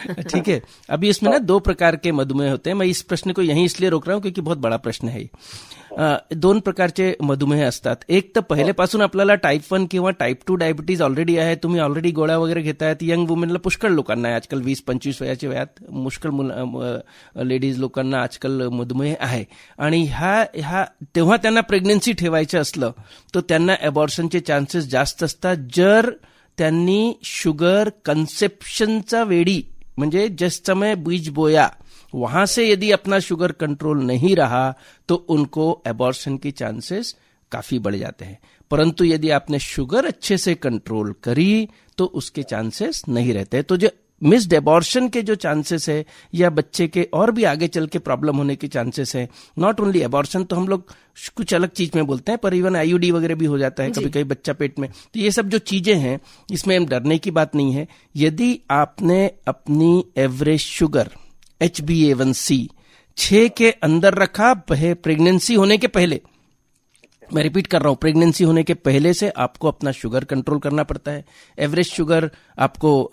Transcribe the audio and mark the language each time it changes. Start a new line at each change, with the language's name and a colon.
Hindi: ठीक है, अभी इसमें ना दो प्रकार के मधुमेह होते हैं, मैं इस प्रश्न को यहीं इसलिए रोक रहा हूँ क्योंकि बहुत बड़ा प्रश्न है।
Marathi: दोन प्रकारचे मधुमेह असतात, एक तर पहिलेपासून आपल्याला टाइप 1 किंवा टाइप 2 डायबिटीज ऑलरेडी आहे, तुम्ही ऑलरेडी गोळ्या वगैरे घेत आहात, यंग वुमेनला पुष्कळ लोकांना आहे आजकाल 20-25 वयाच्या वयात मुष्कळ लेडीज लोकांना आजकाल मधुमेह आहे, आणि ह्या तेव्हा त्यांना प्रेग्नन्सी ठेवायचं असलं तर त्यांना अबॉर्शनचे चान्सेस जास्त असतात जर त्यांनी शुगर कन्सेप्शनचा वेळी म्हणजे
Hindi: जस्ट समय बीज बोया वहां से यदि अपना शुगर कंट्रोल नहीं रहा तो उनको एबॉर्शन की चांसेस काफी बढ़ जाते हैं, परंतु यदि आपने शुगर अच्छे से कंट्रोल करी तो उसके चांसेस नहीं रहते। तो जो मिस डेबॉर्शन के जो चांसेस है या बच्चे के और भी आगे चल के प्रॉब्लम होने के चांसेस है,
English: not only abortion,
Hindi: तो हम लोग कुछ अलग चीज में बोलते हैं, पर इवन IUD वगैरह भी हो जाता है कभी कभी बच्चा पेट में, तो ये सब जो चीजें हैं इसमें हम डरने की बात नहीं है। यदि आपने अपनी एवरेज शुगर HbA1c 6 के अंदर रखा प्रेगनेंसी होने के पहले, मैं रिपीट कर रहा हूं, प्रेगनेंसी होने के पहले से आपको अपना शुगर कंट्रोल करना पड़ता है, एवरेज शुगर आपको